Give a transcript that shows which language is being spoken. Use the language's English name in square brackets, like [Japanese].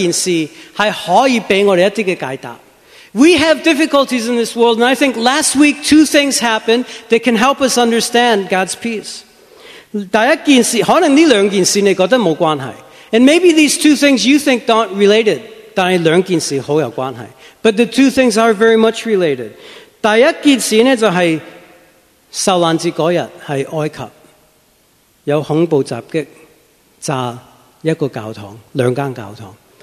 [Chinese] 我们一定会有苦难。我觉得上个星期发生两件事,是可以给我们一些解答。 [English] We have difficulties in this world, and I think last week two things happened that can help us understand God's peace. [Chinese] 第一件事,可能这两件事你觉得没关系。 [English] And maybe these two things you think aren't related. [Chinese] 但是两件事很有关系。 [English] But the two things are very much related. [Chinese] 第一件事就是受难节那天,是埃及,有恐怖袭击,炸一个教堂,两间教堂。